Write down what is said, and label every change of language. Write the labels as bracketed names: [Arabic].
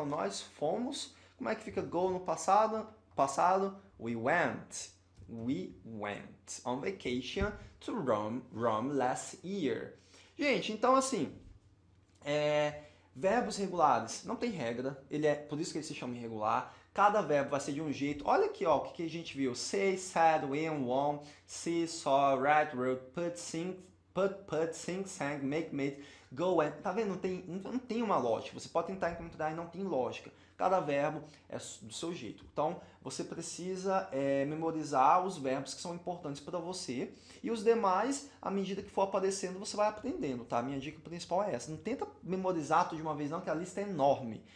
[Portuguese] Então nós fomos. Como é que fica go no passado? Passado, [English] we went. We went on vacation to Rome last year. [Portuguese] Gente, então assim, verbos regulares não tem regra. Por isso que ele se chama irregular. Cada verbo vai ser de um jeito. Olha aqui, ó, o que que a gente viu? [English] Say, said, when, won, see, saw, write, wrote, put, sing, put, sing, sang, make, made, go, and. [Portuguese] Tá vendo? Não tem uma lógica. Você pode tentar encontrar e não tem lógica. Cada verbo é do seu jeito. Então, você precisa memorizar os verbos que são importantes para você. E os demais, à medida que for aparecendo, você vai aprendendo, tá? Minha dica principal é essa. Não tenta memorizar tudo de uma vez, não, que a lista é enorme.